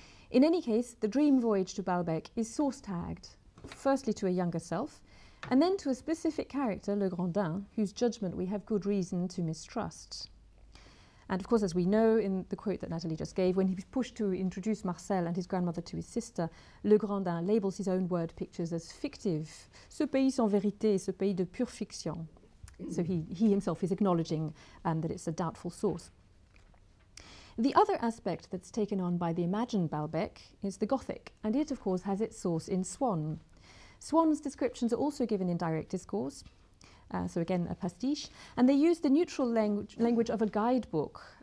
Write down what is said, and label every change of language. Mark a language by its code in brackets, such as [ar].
[en] In any case, the dream voyage to Balbec is source-tagged, firstly to a younger self, and then to a specific character, Le Grandin, whose judgment we have good reason to mistrust. And of course, as we know in the quote that Natalie just gave, when he was pushed to introduce Marcel and his grandmother to his sister, Le Grandin labels his own word pictures as fictive. [fr] Ce pays sans vérité, ce pays de pure fiction. [en] So he himself is acknowledging that it's a doubtful source. The other aspect that's taken on by the imagined Balbec is the Gothic, and it, of course, has its source in Swann. Swann's descriptions are also given in direct discourse, so again, a pastiche, and they use the neutral language of a guidebook.